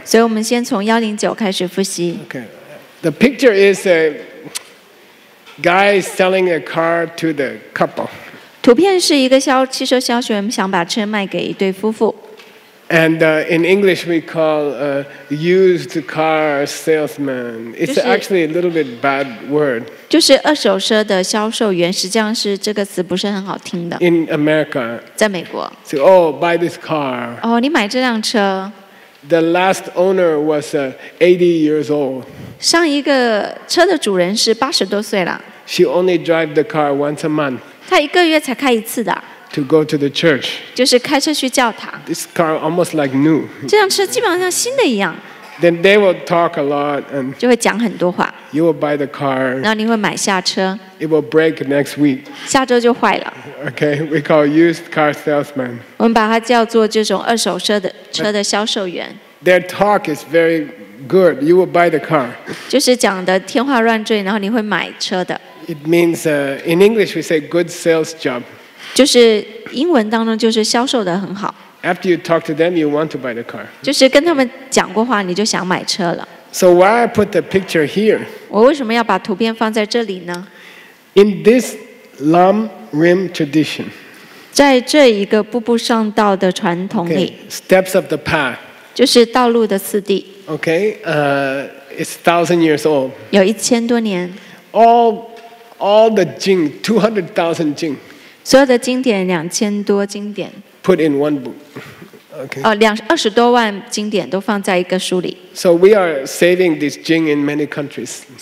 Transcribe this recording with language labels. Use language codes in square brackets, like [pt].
[zh] 所以我们先从 109 开始复习。 [en] Okay. The picture is a guy selling a car to the couple. [zh] 图片是一个汽车销售员想把车卖给一对夫妇。 [en] And in English we call a used car salesman. It's actually a little bit bad word. [zh] 就是二手车的销售员，实际上是这个词不是很好听的。 [en] In America. [zh] 在美国。 [en] So, oh, buy this car. [zh] 哦，你买这辆车。 [en] The last owner was 80 years old. [zh] 上一个车的主人是80多岁了。 [en] She only drive the car once a month. [zh] 她一个月才开一次的。 [en] To go to the church. [zh] 就是开车去教堂。 [en] This car almost like new. [zh] 这辆车基本上像新的一样。 [en] Then they will talk a lot and [zh] 就会讲很多话。 [en] You will buy the car. [zh] 然后你会买下车。 [en] It will break next week. [zh] 下周就坏了。 [en] Okay, we call used car salesman. [zh] 我们把它叫做这种二手车的销售员。 [en] Their talk is very good. You will buy the car. [zh] 就是讲的天花乱坠，然后你会买车的。 [en] It means in English we say good sales job. [zh] 就是英文当中就是销售的很好。 [en] After you talk to them, you want to buy the car. [zh] 就是跟他们讲过话，你就想买车了。So [en] why I put the picture here? [zh] 我为什么要把图片放在这里呢？ [en] In this Lam Rim tradition. [zh] 在这一个步步上道的传统里。 [en] Okay, steps of the path. [zh] 就是道路的次第。 [en] Okay, it's 1,000 years old. [zh] 有1,000多年。 [en] All the Jing, 200,000 Jing. [zh] 所有的经典2,000多经典。 [en] Put in one book. Okay. [zh] 20多万经典都放在一个书里。 [en] So we are saving this Jing in many countries.